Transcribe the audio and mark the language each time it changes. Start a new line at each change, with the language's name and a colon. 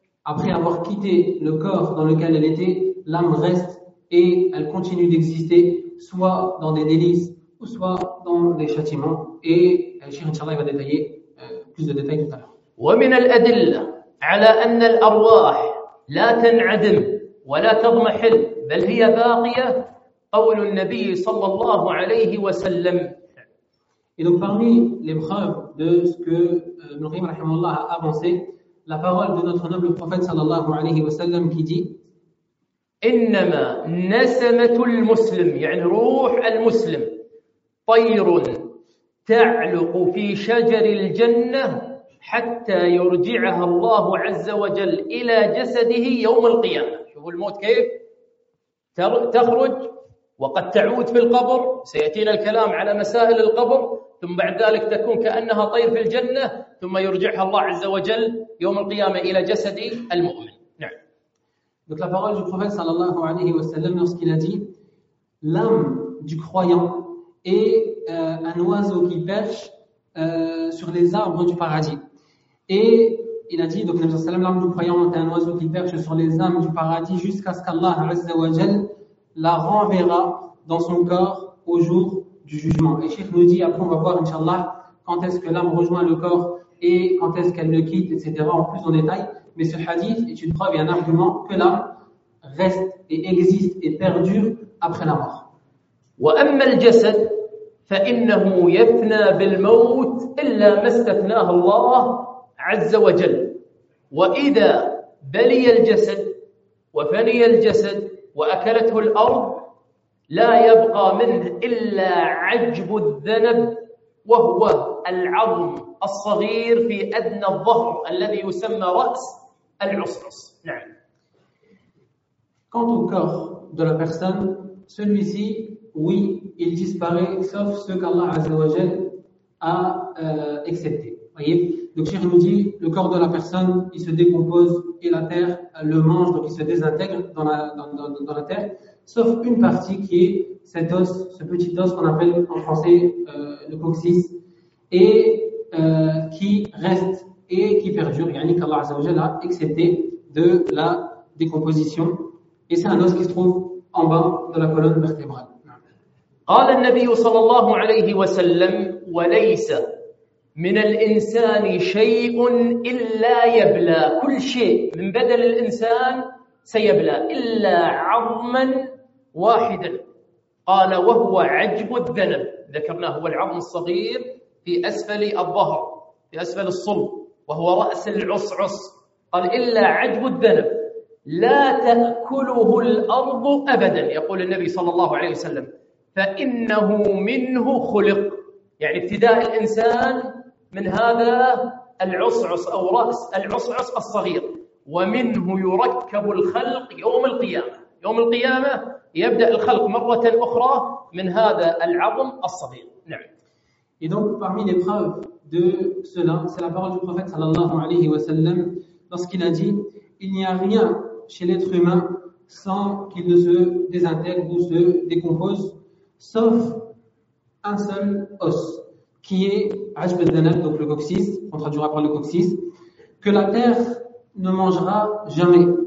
French: Après avoir quitté le corps dans lequel elle était, l'âme reste et elle continue d'exister, soit dans des délices ou soit dans des châtiments. Et Cheikh Inch'Allah va détailler plus de détails tout à l'heure.
Arabic: ومن الأدلة على أن الأرواح لا تنعدم ولا تضمحل بل هي باقية قول النبي صلى الله عليه وسلم.
French: Et donc parmi les preuves de ce que Ibn Qayyim rahimahullah a avancé, la parole de notre noble prophète sallallahu alayhi wa sallam qui dit
Arabic: إِنَّمَا نَسَمَةُ الْمُسْلِمِ يعني روح المسلم طَيْرٌ تَعْلُقُ فِي شَجَرِ الْجَنَّةِ حَتَّى يُرْجِعَهَا اللَّهُ عَزَّ وَجَلْ إِلَى جَسَدِهِ يَوْمَ الْقِيَامَةِ. شوفوا الموت كيف تخرج وقد تعود في القبر. سيأتينا الكلام على مسائل القبر ثم بعد ذلك تكون كأنها طير في الجنة ثم يرجعها الله عز وجل يوم القيامة إلى جسد المؤمن. نعم.
French: Donc la parole du prophète sallallahu alayhi wa sallam lorsqu'il a dit l'âme du croyant est un oiseau qui perche sur les arbres du paradis. Et il a dit, donc le prophète sallallahu alayhi wa sallam, l'âme du croyant est un oiseau qui perche sur les arbres du paradis jusqu'à ce qu'Allah azza wa jal la renverra dans son corps au jour du jugement. Et Cheikh nous dit, après on va voir inshallah quand est-ce que l'âme rejoint le corps et quand est-ce qu'elle le quitte, etc. En plus en détail, mais ce hadith est une preuve et un argument que l'âme reste et existe et perdure après la mort.
Arabic: وأما الجسد فإنه يفنى بالموت إلا ما استثناه الله عز وجل. وإذا بلي الجسد وفني الجسد وأكلته الأرض لا يبقى منه إلا عجب الذنب وهو العظم الصغير في أدنى الظهر الذي يسمى رأس العصعص. نعم.
French: Quant au corps de la personne, celui-ci, oui, il disparaît sauf ce qu'Allah Azza wa Jal a accepté. Voyez, donc Cheikh nous dit, le corps de la personne, il se décompose et la terre le mange, donc il se désintègre dans la terre. Sauf une partie qui est cet os, ce petit os qu'on appelle en français le coccyx, et qui reste et qui perdure, yani qu'Allah Azza wa Jalla a accepté de la décomposition. Et c'est un os qui se trouve en bas de la colonne vertébrale.
Arabic: قال النبي صلى الله عليه وسلم وليس من الإنسان شيء إلا يبلى كل شيء من بدن الإنسان سيبلى إلا عظما واحدا قال وهو عجب الذنب ذكرناه هو العظم الصغير في أسفل الظهر في أسفل الصلب وهو رأس العصعص قال إلا عجب الذنب لا تأكله الأرض أبدا يقول النبي صلى الله عليه وسلم فإنه منه خلق يعني ابتداء الإنسان من هذا العصعص أو رأس العصعص الصغير ومنه يركب الخلق يوم القيامة يوم القيامة يبدأ الخلق مرة أخرى من هذا العظم الصغير نعم.
French: Et donc parmi les preuves de cela, c'est la parole du prophète sallallahu alayhi wa sallam lorsqu'il a dit il n'y a rien chez l'être humain sans qu'il ne se désintègre ou se décompose sauf un seul os, qui est Ajb al-Zanab, donc le coccyx, on traduira par le coccyx, que la terre ne mangera jamais,